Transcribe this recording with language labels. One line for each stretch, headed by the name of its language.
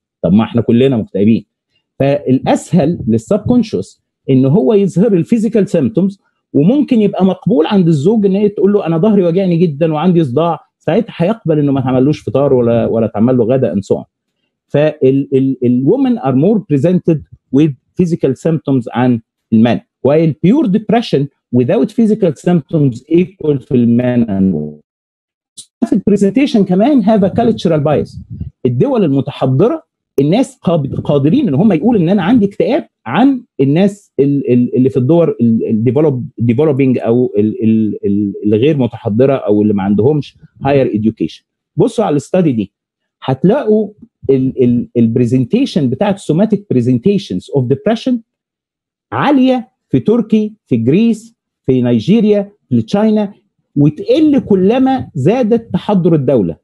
Arabic: طب ما احنا كلنا مكتئبين. فالاسهل للسب كونشوس ان هو يظهر الفيزيكال سيمتومز، وممكن يبقى مقبول عند الزوج ان هي تقول له انا ظهري واجعني جدا وعندي صداع، ساعتها هيقبل انه ما تعملوش فطار ولا تعمل له غدا انسوع.
English: فالوومن are more presented with physical symptoms عن المان، while pure depression without physical symptoms equal to men and women. The presentation كمان have a cultural bias.
Arabic: الدول المتحضرة الناس قادرين ان هم يقول ان انا عندي اكتئاب عن الناس اللي في الدور developing او الغير متحضرة او اللي ما عندهمش
English: higher education.
Arabic: بصوا على الستادي دي هتلاقوا البرزنتيشن بتاعت
English: somatic presentations of depression
Arabic: عالية في تركيا، في جريس، في نيجيريا، في تشاينا، وتقل كلما زادت تحضر الدولة.